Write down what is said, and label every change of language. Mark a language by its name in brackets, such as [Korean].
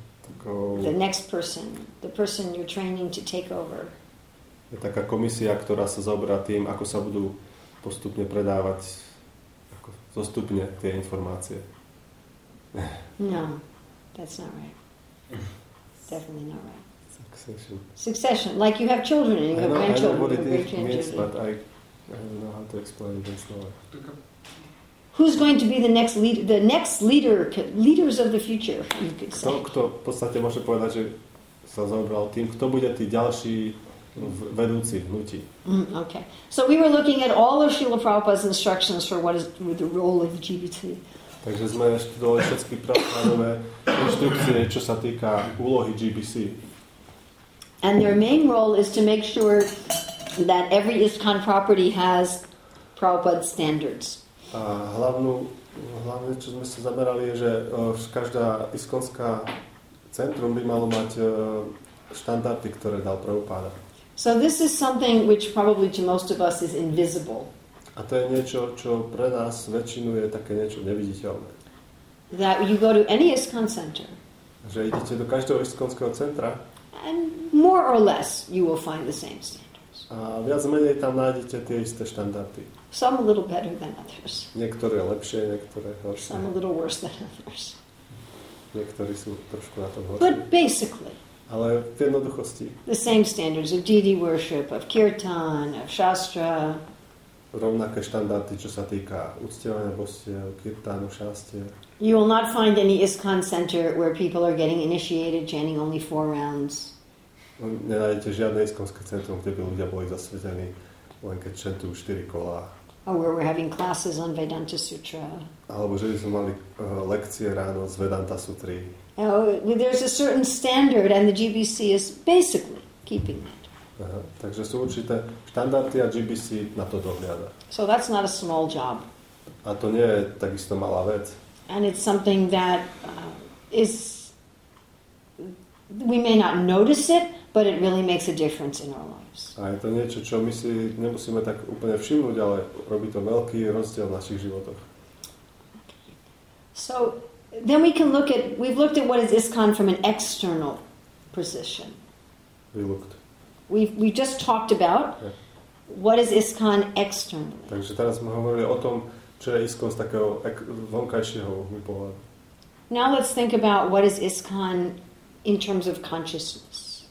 [English] Takou, the next person. The person you're training to take over. [Slovak] Je taká komisia, ktorá sa zaoberá tým, ako sa budú postupne predávať ako zostupne tie informácie. [English] No, that's not right. Definitely not right. Succession. Succession, like you have children and you have grandchildren. I know what it means, but I don't know how to explain it in slower. Who's going to be the next leader, leaders of the future, you could say. [Slovak] Kto v podstate môže povedať, že sa zaobral tým, kto bude tí ďalší vedúci hnutí. [English] Okay. So we were looking at all of Srila Prabhupada's instructions for what is the role of the GBC. [Slovak] Takže sme študovali všetky Prabhupádové inštrukcie, čo sa týka úlohy GBC. [English] And their main role is to make sure that every ISKCON property has Prabhupada's standards. [Slovak] A hlavné, čo sme sa zamerali, je, že každá ISKCONská centrum by malo mať štandardy, ktoré dal Prabhupáda. [English] So this is something which probably to most of us is invisible. [Slovak] A to je niečo, čo pre nás väčšinu je také niečo neviditeľné. [English] That you go to any ISKCON center. [Slovak] Že idete do každého ISKCONského centra. [English] And more or less you will find the same standards. [Slovak] A viac menej tam nájdete tie isté štandardy. [English] Some a little better than others. [Slovak] Niektoré lepšie, niektoré horšie. [English] Some a little worse than others. [Slovak] Niektorí sú trošku na tom horšie. [English] But basically. [Slovak] Ale v jednoduchosti. [English] The same standards of deity worship, of kirtan, of shastra. [Slovak] Rovnaké štandardy, čo sa týka uctievania bostiev, kirtánu, šastier. [English] You will not find any ISKCON center where people are getting initiated chanting only four rounds. [Slovak] Nenájdete žiadne ISKCONské centrum, kde by ľudia boli zasvetení, len keď chantujú 4 kolá. [English] Or where we're having classes on Vedanta Sutra. [Slovak] Alebo že by sme mali lekcie ráno z Vedanta Sutry. [English] Oh, there's a certain standard and the GBC is basically keeping that. [Slovak] Takže sú určité štandardy a GBC na to dohliada. [English] So that's not a small job. [Slovak] A to nie je takisto malá vec. [English] And it's something that is we may not notice it, but it really makes a difference in our lives. [Slovak] A je to niečo, čo my si nemusíme tak úplne všimnúť, ale robí to veľký rozdiel v našich životoch. [English] So then we can look at, we've looked at what is ISKCON from an external position. We've just talked about what is ISKCON externally. [Slovak] Takže teraz sme hovorili o tom, čo je ISKCON z takého vonkajšieho pohľadu. [English] Now let's think about what is ISKCON in terms of consciousness.